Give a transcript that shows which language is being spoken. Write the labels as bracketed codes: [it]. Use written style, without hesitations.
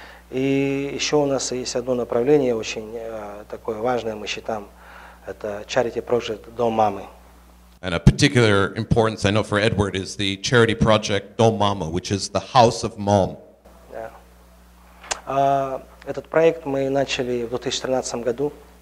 [ru] И еще у нас есть одно направление очень такое важное, мы считаем, это [en] charity project [ru] Дом Мамы. [en] And a particular importance I know for Edward is the charity project Дом Мама, which is the house of mom. [ru] Этот проект мы начали в 2013 году.